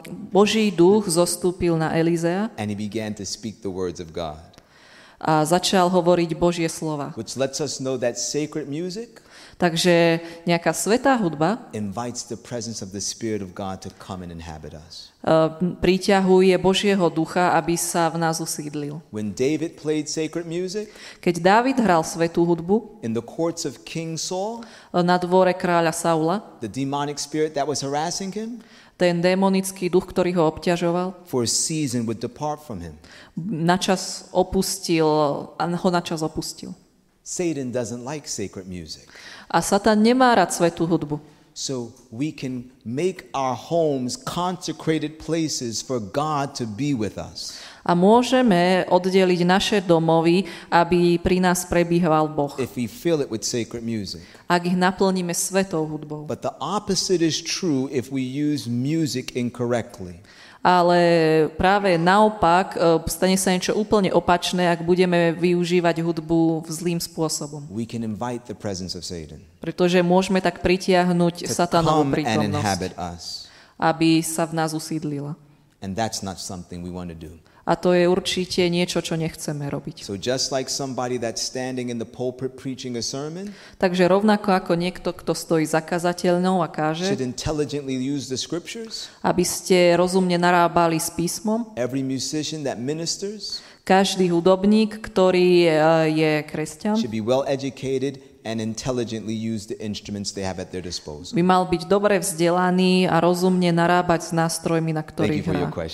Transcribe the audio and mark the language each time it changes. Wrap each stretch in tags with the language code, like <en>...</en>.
<sk>Boží duch zostúpil na Elizea.</sk> <en>And he began to speak the words of God.</en> <sk>A začal hovoriť Božie slova.</sk> <en>Which lets us know that sacred music.</en> <sk>Takže nejaká svätá hudba</sk> <en>invites the presence of the spirit of God to come and inhabit us.</en> <sk>Priťahuje Božieho ducha, aby sa v nás usídlil.</sk> <en>When David played sacred music,</en> <sk>keď Dávid hral svätú hudbu,</sk> <en>in the courts of King Saul,</en> <sk>na dvore kráľa Saula,</sk> <en>the demonic spirit that was harassing him,</en> <sk>ten démonický duch, ktorý ho obťažoval,</sk> <en>for a season would depart from him.</en> <sk>Ho načas opustil.</sk> <en>Satan doesn't like sacred music.</en> <sk>A Satan nemá rád svätú hudbu.</sk> <en>So we can make our homes consecrated places for God to be with us.</en> <sk>A môžeme oddeliť naše domovy, aby pri nás prebýval Boh.</sk> <en>If we fill it with sacred music.</en> <sk>Ak ich naplníme svätou hudbou.</sk> <en>But the opposite is true if we use music incorrectly.</en> <sk>Ale práve naopak, stane sa niečo úplne opačné, ak budeme využívať hudbu zlým spôsobom.</sk> <en>We can invite the presence of Satan.</en> <sk>Pretože môžeme tak pritiahnuť Satanovu prítomnosť, aby sa v nás usídlila.</sk> <en>And that's not something we want to do.</en> <sk>A to je určite niečo, čo nechceme robiť.</sk> <en>So just like somebody that's standing in the pulpit preaching a sermon,</en> <sk>takže rovnako ako niekto, kto stojí za kazateľnou a káže,</sk> <en>should intelligently use the scriptures,</en> <sk>aby ste rozumne narábali s písmom,</sk> <en>every musician that ministers,</en> <sk>každý hudobník, ktorý je kresťan,</sk> <en>should be well educated and intelligently use the instruments they have at their disposal.</en> <sk>By mal byť dobre vzdelaný a rozumne narábať s nástrojmi, na ktorých hrá.</sk>